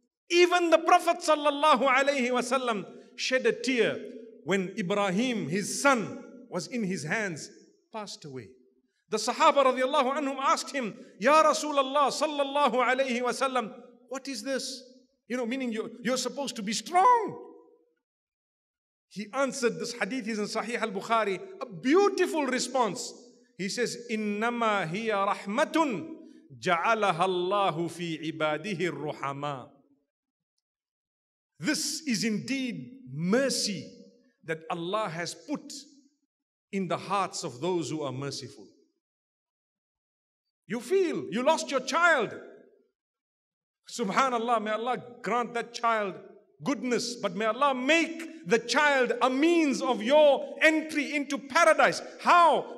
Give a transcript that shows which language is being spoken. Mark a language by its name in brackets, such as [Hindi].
[English] Even the Prophet sallallahu alayhi wasallam shed a tear when Ibrahim, his son, was in his hands, passed away. The Sahaba radiallahu anhum asked him, Ya Rasulullah sallallahu alayhi wasallam, what is this? You know, meaning you're supposed to be strong. He answered, this hadith is in Sahih al-Bukhari, a beautiful response. [Arabic] He says, إِنَّمَا هِيَ رَحْمَةٌ جَعَلَهَا اللَّهُ فِي عِبَادِهِ الرُّحَمَاءِ. [English] This is indeed mercy that Allah has put in the hearts of those who are merciful. You feel you lost your child. Subhanallah, may Allah grant that child goodness, but may Allah make the child a means of your entry into paradise. How?